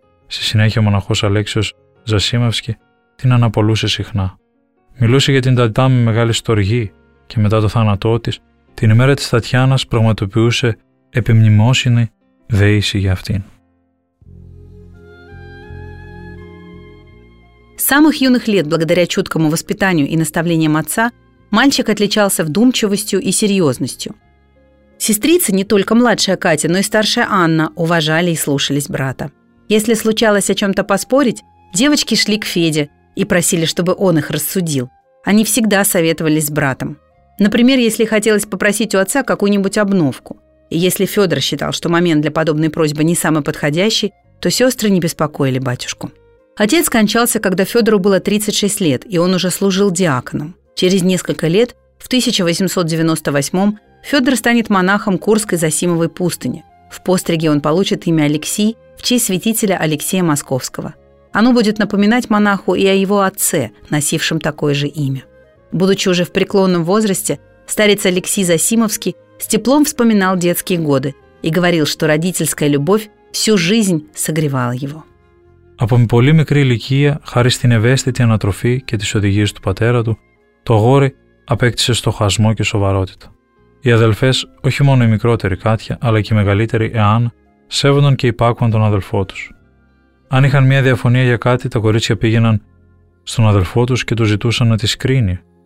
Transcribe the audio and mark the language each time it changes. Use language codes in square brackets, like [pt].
[el] Στη συνέχεια ο μοναχός Αλέξιος Ζασίμευσκι την αναπολούσε συχνά. Μιλούσε για την Τατιάνα με μεγάλη στοργή και μετά το θάνατό της, την ημέρα της Τατιάνας πραγματοποιούσε επιμνημόσυνη δέηση για αυτήν. [ru] С самых юных лет, благодаря чуткому воспитанию и наставлениям отца, мальчик отличался вдумчивостью и серьезностью. Сестрицы, не только младшая Катя, но и старшая Анна, уважали и слушались брата. Если случалось о чем-то поспорить, девочки шли к Феде и просили, чтобы он их рассудил. Они всегда советовались с братом. Например, если хотелось попросить у отца какую-нибудь обновку. И если Федор считал, что момент для подобной просьбы не самый подходящий, то сестры не беспокоили батюшку. Отец скончался, когда Федору было 36 лет, и он уже служил диаконом. Через несколько лет, в 1898-м, Федор станет монахом Курской Зосимовой пустыни. В постриге он получит имя Алексий в честь святителя Алексея Московского. Оно будет напоминать монаху и о его отце, носившем такое же имя. Будучи уже в преклонном возрасте, старец Алексий Зосимовский с теплом вспоминал детские годы и говорил, что родительская любовь всю жизнь согревала его. [el] Από πολύ μικρή ηλικία, χάρη στην ευαίσθητη ανατροφή και τις οδηγίες του πατέρα του, το αγόρι απέκτησε στοχασμό και σοβαρότητα. Οι αδελφές, όχι μόνο η μικρότερη Κάτια, αλλά και η μεγαλύτερη Εάν, σέβονταν και υπάκουαν τον αδελφό τους. Αν είχαν μια διαφωνία για κάτι, τα κορίτσια πήγαιναν στον αδελφό τους και του ζητούσαν να τις κρίνει.